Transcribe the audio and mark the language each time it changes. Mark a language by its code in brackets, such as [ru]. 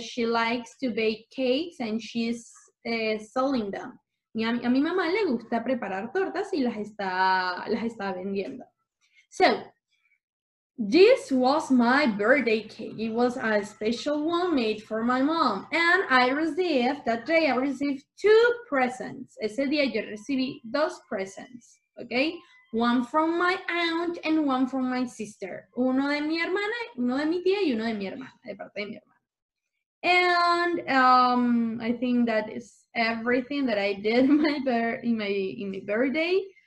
[en] She likes to bake cakes and she's selling them. [es] A mi mamá le gusta preparar tortas y las está vendiendo. [en] So, this was my birthday cake. It was a special one made for my mom. And that day I received two presents. [es] Ese día yo recibí dos presents, okay? [en] One from my aunt and one from my sister. [es] Uno de mi hermana, uno de mi tía y uno de mi hermana, de parte de mi hermana. [en] And I think that is everything that I did in my birthday.